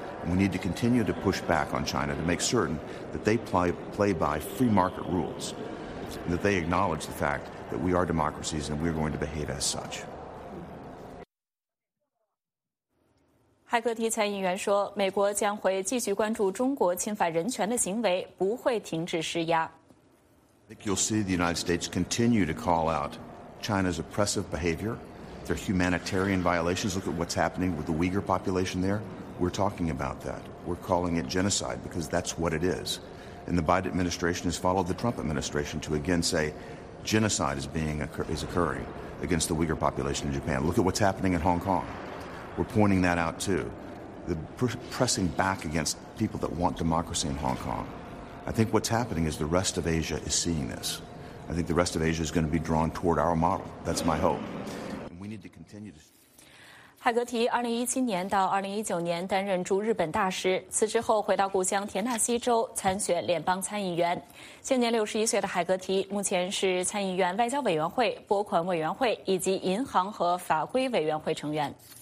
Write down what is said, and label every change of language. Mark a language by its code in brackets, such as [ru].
[en] We need to continue to push back on China to make certain that they play by free market rules, and that they acknowledge the fact that we are democracies and we are going to behave as such. [zh] 海格提参议员说，美国将会继续关注中国侵犯人权的行为，不会停止施压。 [en] I think you'll see the United States continue to call out China's oppressive behavior, their humanitarian violations. Look at what's happening with the Uyghur population there. We're talking about that. We're calling it genocide because that's what it is. And the Biden administration has followed the Trump administration to again say genocide is occurring against the Uyghur population in Japan. Look at what's happening in Hong Kong. We're pointing that out too. The pressing back against people that want democracy in Hong Kong. I think what's happening is the rest of Asia is seeing this. I think the rest of Asia is going to be drawn toward our model. That's my hope. And we need to continue to... [zh] 海格提2017年到2019年担任驻日本大使，辞职后回到故乡田纳西州参选联邦参议员。现年61岁的海格提目前是参议院外交委员会、拨款委员会以及银行和法规委员会成员。